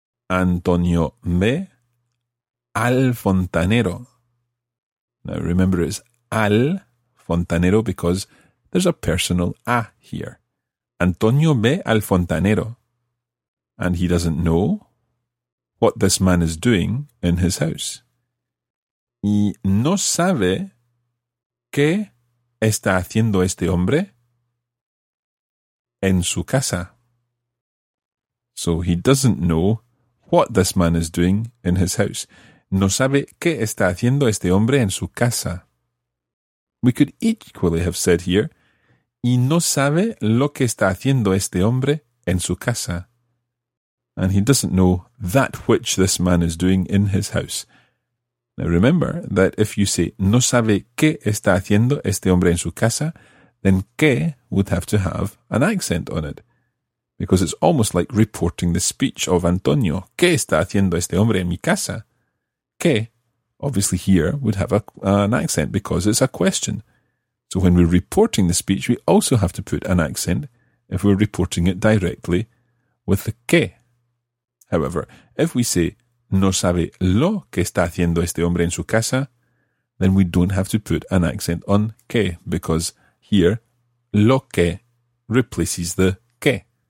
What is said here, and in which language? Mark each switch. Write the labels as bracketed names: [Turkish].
[Spanish] Antonio ve al fontanero. [English] Now remember, it's al fontanero because there's a personal a here. Antonio [Spanish] ve al fontanero, [English] and he doesn't know what this man is doing in his house. [Spanish] Y no sabe qué está haciendo este hombre en su casa. [English] So he doesn't know what this man is doing in his house. [Spanish] No sabe qué está haciendo este hombre en su casa. [English] We could equally have said here, [Spanish] y no sabe lo que está haciendo este hombre en su casa. [English] And he doesn't know that which this man is doing in his house. Now remember that if you say, [Spanish] no sabe qué está haciendo este hombre en su casa, [English] then qué would have to have an accent on it. Because it's almost like reporting the speech of Antonio. [Spanish] ¿Qué está haciendo este hombre en mi casa? ¿Qué? [English] Obviously here would have an accent because it's a question. So when we're reporting the speech, we also have to put an accent if we're reporting it directly with the que. However, if we say, [Spanish] no sabe lo que está haciendo este hombre en su casa, [English] then we don't have to put an accent on que, because here, lo que replaces the que.